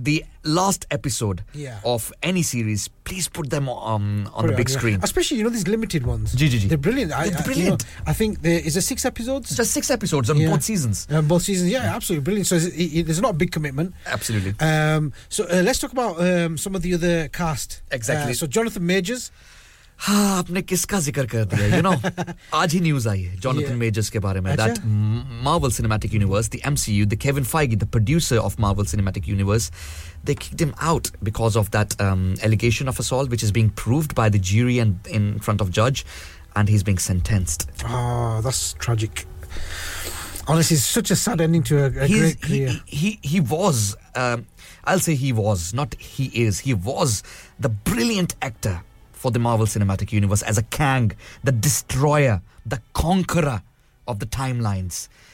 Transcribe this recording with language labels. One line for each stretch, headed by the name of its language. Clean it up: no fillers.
English: The last episode of any series, please put them on the big screen. Especially, you know, these limited ones. GGG. They're brilliant. They're brilliant. You know, I think there is a six episodes. Just six episodes on both seasons. Yeah, absolutely brilliant. So there's not a big commitment. Absolutely. So let's talk about some of the other cast. Exactly. So Jonathan Majors.
Hindi: हाँ आपने किसका जिक्र कर दिया
English: you know
Hindi: आज ही news आई है
English: Jonathan Majors
Hindi: के बारे में
English: That Marvel cinematic universe the MCU the Kevin Feige the producer of Marvel cinematic universe they kicked him out because of that allegation of assault which is being proved by the jury and in front of जज and he is being sentenced oh that's tragic Honestly, it's such a sad ending to a great career. He was, I'll say he was, not he is, he was the brilliant actor for the Marvel Cinematic Universe as a Kang, the destroyer, the conqueror of the timelines.